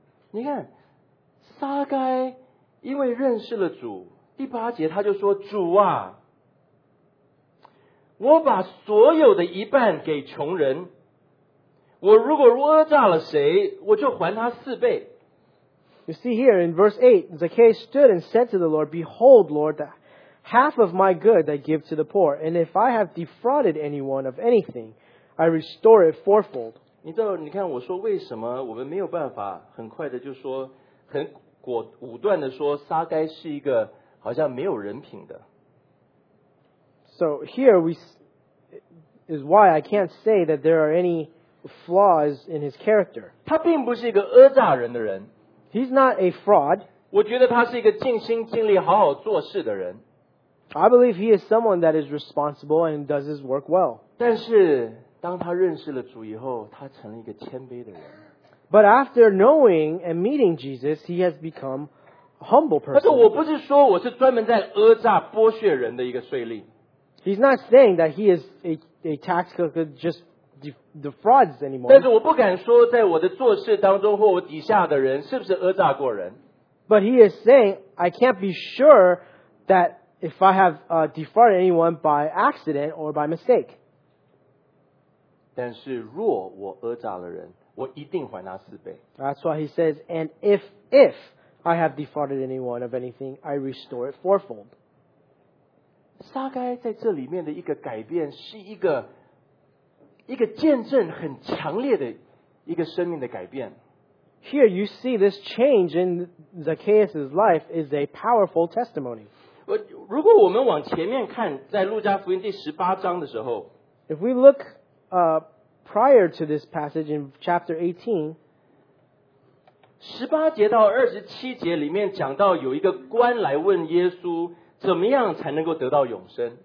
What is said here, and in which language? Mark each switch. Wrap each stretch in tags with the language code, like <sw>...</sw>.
<zh>你看，撒该因为认识了主，第八节他就说，主啊，我把所有的一半给穷人，我如果讹诈了谁，我就还他四倍。</zh> <en>You see here in verse 8, Zacchaeus stood and said to the Lord, Behold, Lord, the half of my good I give to the poor, and if I have defrauded anyone of anything, I restore it fourfold.</en> <zh>你知道，你看我说为什么我们没有办法很快的就说，很果武断的说撒该是一个好像没有人品的。</zh> <en>So here is why I can't say that there are any flaws in his character.</en> <zh>他并不是一个讹诈人的人。</zh> <en>He's not a fraud.</en> <zh>我觉得他是一个尽心尽力好好做事的人。</zh> <en>I believe he is someone that is responsible and does his work well.</en> <zh>但是当他认识了主以后，他成了一个谦卑的人。</zh> <en>But after knowing and meeting Jesus, he has become a humble person.</en> <zh>但是我不是说我是专门在讹诈剥削人的一个税吏。</zh> <en>He's not saying that he is a tax collector just the frauds anymore.</en> <zh>但是我不敢说在我的做事当中或我底下的人是不是讹诈过人。</zh> <en>But he is saying, I can't be sure that if I have defrauded anyone by accident or by mistake.</en> <zh>但是若我讹诈了人，我一定还他四倍。</zh> <en>That's why he says, and if I have defrauded anyone of anything, I restore it fourfold.</en> <zh>撒该在这里面的一个改变是一个见证很强烈的一个生命的改变。</zh> <en>Here you see this change in Zacchaeus' life is a powerful testimony.</en> <zh>如果我们往前面看，在路加福音第十八章的时候</zh> <en>，If we look prior to this passage in chapter 18,</en> <zh>十八节到二十七节里面讲到有一个官来问耶稣，怎么样才能够得到永生</zh>